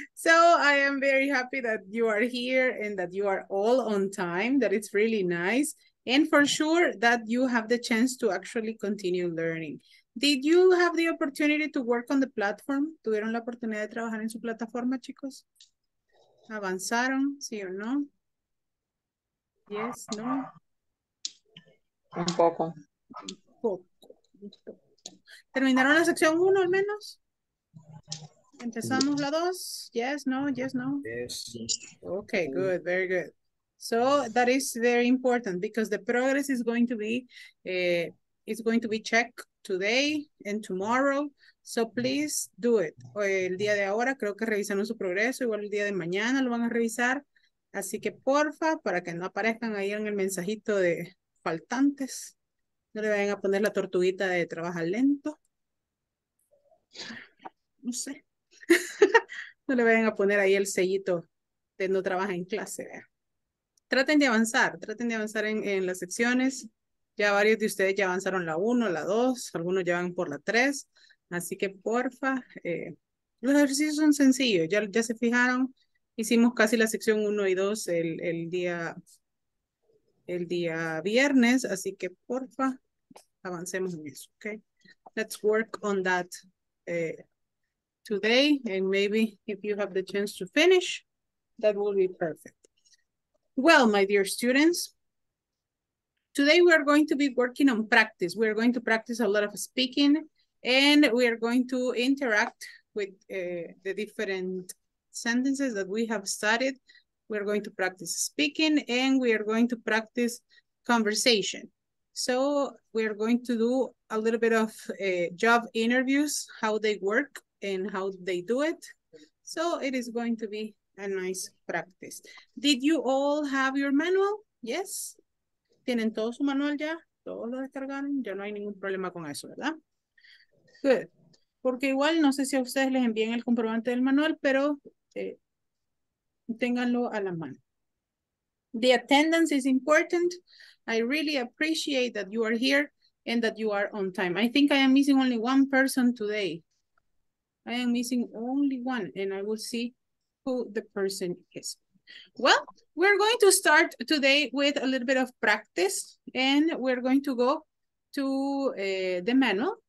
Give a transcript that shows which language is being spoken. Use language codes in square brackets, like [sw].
[en] So I am very happy that you are here and that you are all on time. That it's really nice. And for sure that you have the chance to actually continue learning. Did you have the opportunity to work on the platform? [es] ¿Tuvieron la oportunidad de trabajar en su plataforma, chicos? ¿Avanzaron? ¿Sí o no? [en] Yes, no? [es] Un poco. Un poco. ¿Terminaron la sección 1 al menos? ¿Empezamos la 2? [en] Yes, no, yes, no. Yes. Okay, good, very good. So that is very important because the progress is going to be checked today and tomorrow. So please do it. [es] El día de ahora creo que revisaron su progreso, igual el día de mañana lo van a revisar. Así que porfa, para que no aparezcan ahí en el mensajito de faltantes. No le vayan a poner la tortuguita de trabajar lento. No sé. No le vayan a poner ahí el sellito de no trabaja en clase. Traten de avanzar en las secciones. Ya varios de ustedes ya avanzaron la 1, la 2, algunos ya van por la 3. Así que porfa, los ejercicios son sencillos. Ya se fijaron, hicimos casi la sección 1 y 2 el día viernes. Así que porfa, avancemos en eso, ok? [en] Let's work on that today, and maybe if you have the chance to finish, that will be perfect. Well, my dear students, today we are going to be working on practice. We are going to practice a lot of speaking, and we are going to interact with the different sentences that we have studied. We are going to practice speaking, and we are going to practice conversation. So we are going to do a little bit of job interviews, how they work and how they do it. So it is going to be a nice practice. Did you all have your manual? Yes. [es] ¿Tienen todo su manual ya? ¿Todos lo descargaron? Ya no hay ningún problema con eso, ¿verdad? Good. Porque igual no sé si a ustedes les envíen el comprobante del manual, pero ténganlo a la mano. [en] The attendance is important. I really appreciate that you are here and that you are on time. I think I am missing only one person today. I am missing only one, and I will see who the person is. Well, we're going to start today with a little bit of practice, and we're going to go to the manual.